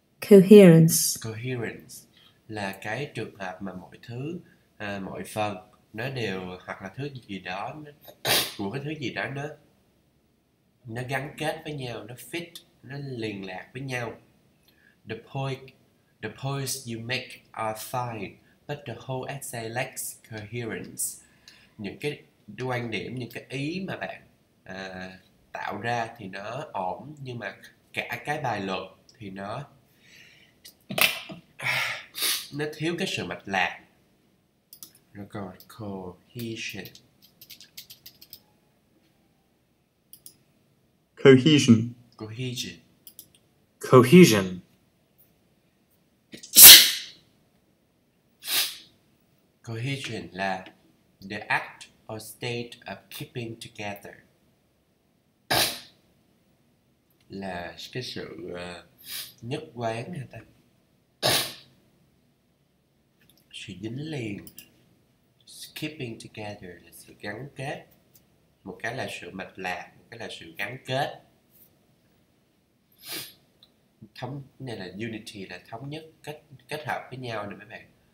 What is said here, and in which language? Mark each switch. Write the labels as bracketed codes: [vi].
[en] Coherence. [vi] Coherence là cái trường hợp mà mọi thứ, mọi phần nó đều hoặc là thứ gì đó của cái thứ gì đó nó gắn kết với nhau, nó fit, nó liền lạc với nhau. [en] The points you make are fine, but the whole essay lacks coherence. [vi] Những cái quan điểm, những cái ý mà bạn tạo ra thì nó ổn, nhưng mà cả cái bài luận thì nó thiếu cái sự mạch lạc. [en] Record cohesion. Cohesion. Cohesion. Cohesion. Cohesion là the act or state of keeping together. [vi] Là cái sự nhất quán người ta. Sự dính liền, keeping together là sự gắn kết, một cái là sự mạch lạc, một cái là sự gắn kết, thống này là unity, là thống nhất, kết hợp với nhau nè mấy bạn.